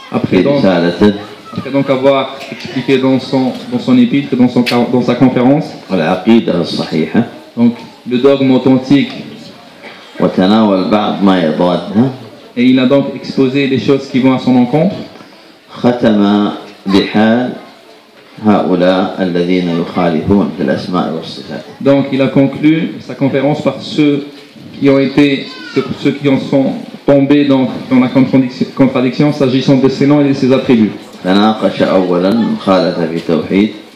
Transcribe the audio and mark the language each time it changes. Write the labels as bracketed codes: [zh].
[ar] في رسالته [fr] après donc avoir expliqué dans son épître et dans sa conférence [ar] العقيدة الصحيحة [fr] donc le dogme authentique [ar] وتناول بعض ما يضادها. [fr] Et il a donc exposé les choses qui vont à son encontre. [ar] ختم بحال هؤلاء الذين يخالفون في الأسماء والصفات. [fr] Donc il a conclu sa conférence par ceux qui ont été ceux qui en sont tombés dans la contradiction s'agissant de ses noms et de ses attributs. [ar] تناقش أولا مخالفة في التوحيد.